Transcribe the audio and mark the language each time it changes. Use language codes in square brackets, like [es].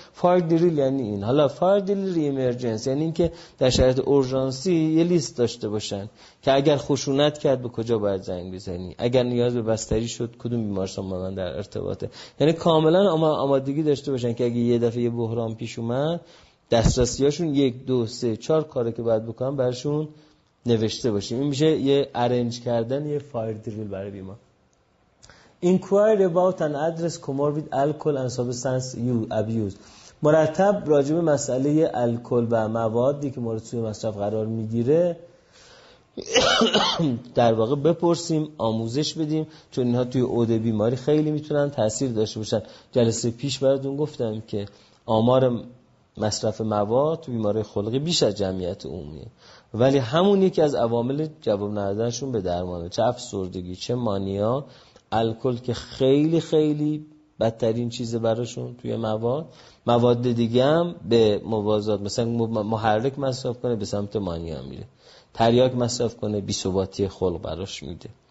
[fa] فایر دریل یعنی این. حالا فایر دریل ایمرجنس یعنی این که در شرایط اورژانسی یه لیست داشته باشن که اگر خشونت کرد به کجا باید زنگ بزنی، اگر نیاز به بستری شد کدوم بیمارستان با من در ارتباطه. یعنی کاملا آمادگی داشته باشن که اگه یه دفعه یه بحران پیش اومد دسترسیاشون 1 2 3 4 کاری که باید بکنن برشون نوشته باشه. این میشه یه ارنج کردن یه فایر دریل برای بیمار. [en] Inquire about an address comorbid alcohol and substance abuse. [fa] مرتب راجع به مسئله الکل و موادی که مورد سوی مصرف قرار میگیره در واقع بپرسیم، آموزش بدیم، چون اینها توی عود بیماری خیلی میتونن تأثیر داشته باشن. جلسه پیش براتون گفتم که آمار مصرف مواد توی بیماری خلقی بیش از جمعیت عمومیه، ولی همون یکی از عوامل جواب ندادنشون به درمانه، چه افسردگی چه مانیا، الکل که خیلی خیلی بدترین چیزه براشون توی مواد، مواد دیگه هم به موازات مثلا محرک مصرف کنه به سمت مانیا میره، تریاک مصرف کنه بی‌ثباتی خلق براش میده.